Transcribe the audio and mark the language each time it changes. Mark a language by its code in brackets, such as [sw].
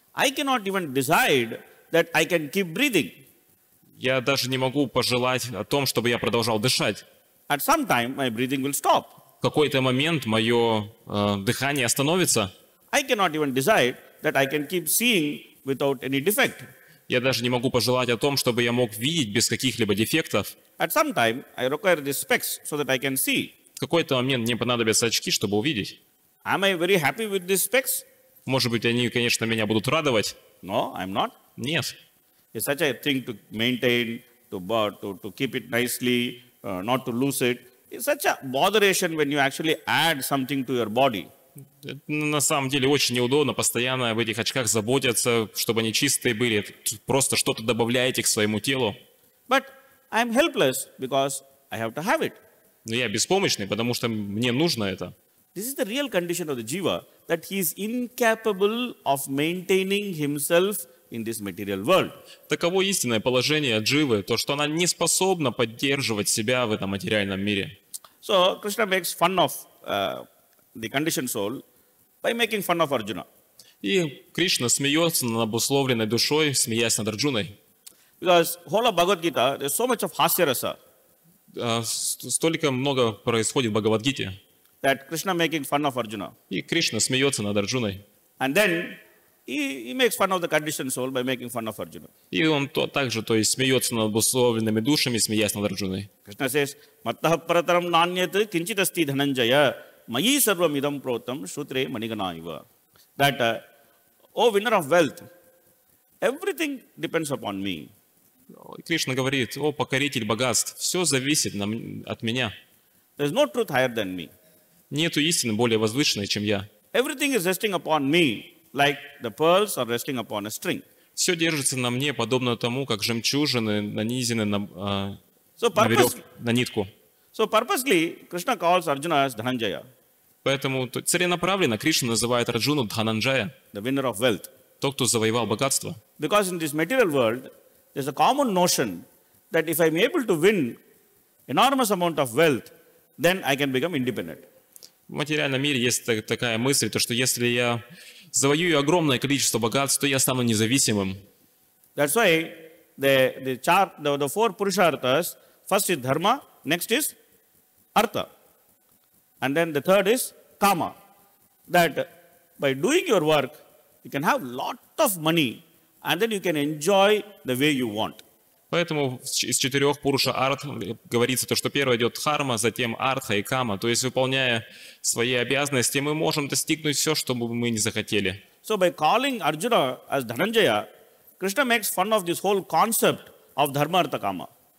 [en] I cannot even decide that I can keep breathing. [ru] Я даже не могу пожелать о том, чтобы я продолжал дышать. [en] At some time my breathing will stop. [ru] В какой-то момент мое дыхание остановится. [en] I cannot even decide that I can keep seeing without any defect. [ru] Я даже не могу пожелать о том, чтобы я мог видеть без каких-либо дефектов. [en] At some time I require the specs so that I can see. [ru] В какой-то момент мне понадобятся очки, чтобы увидеть. [en] Am I very happy with these specs? [ru] Может быть, они, конечно, меня будут радовать. [en] No, I'm not. [ru] Нет. [en] It's such a thing to maintain, to keep it nicely. Not to lose it. It's such a botheration when you actually add something to your body. [ru] На самом деле очень неудобно постоянно в этих очках заботиться, чтобы они чистые были. Просто что-то добавляете к своему телу. [en] But I'm helpless because I have to have it. [ru] Но я беспомощный, потому что мне нужно это. [en] This is the real condition of the jiva, that he is incapable of maintaining himself in this material world. [ru] Таково истинное положение дживы, то, что она не способна поддерживать себя в этом материальном мире. [en] So Krishna makes fun of the conditioned soul by making fun of Arjuna. [ru] И Кришна смеется над обусловленной душой, смеясь над Арджуной. [en] Because whole of Bhagavad Gita, there's so much of hasya-rasa. [ru] Столько много происходит в Бхагавад-гите. [en] That Krishna making fun of Arjuna. [ru] И Кришна смеется над Арджуной. [en] And then He makes fun of the conditioned soul by making fun of Arjuna. [ru] И он также, то есть, смеется над обусловленными душами, смеясь над Арджуной. [en] Krishna says, [sa] "Matah pratram nanyat kinchit asti dhananjaya, mayi sarvam idam protam sutre maniganaiva." [en] That, oh, winner of wealth, everything depends upon me. [ru] Кришна говорит, о, покоритель богатств, все зависит от меня. [en] There is no truth higher than me. [ru] Нету истины более возвышенной, чем я. [en] Everything is resting upon me. Like the pearls are resting upon a string. [ru] Все держится на мне, подобно тому, как жемчужины нанизены на нитку. [en] So purposely, Krishna calls Arjuna as Dhananjaya. [ru] Поэтому целенаправленно Кришна называет Арджуну Дхананджая. [en] The winner of wealth. [ru] Тот, кто завоевал богатство. [en] Because in this material world, there's a common notion that if I'm able to win enormous amount of wealth, then I can become independent. [ru] В материальном мире есть такая мысль, то что если я завоюю огромное количество богатств, то я стану независимым. [en] That's why the four purusharthas, first is dharma, next is artha, and then the third is kama. That by doing your work, you can have lot of money, and then you can enjoy the way you want. [ru] Поэтому из четырех пуруша арт говорится то, что первое идет дхарма, затем артха и кама. То есть, выполняя свои обязанности, мы можем достигнуть все, что бы мы ни захотели. [en] So by calling Arjuna as Dhananjaya, Krishna makes fun of this whole concept of dharma artha kama.